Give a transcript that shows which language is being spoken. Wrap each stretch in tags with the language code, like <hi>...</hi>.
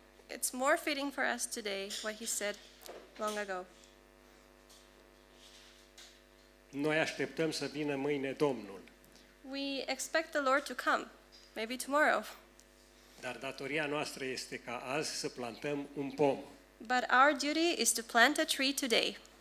<en>It's more fitting for us today what he said long ago.</en> <ro>Noi așteptăm să vină mâine Domnul.</ro> <en>We expect the Lord to come, maybe tomorrow.</en> <ro>Dar datoria noastră este ca azi să plantăm un pom.</ro> <en>But our duty is to plant a tree today.</en>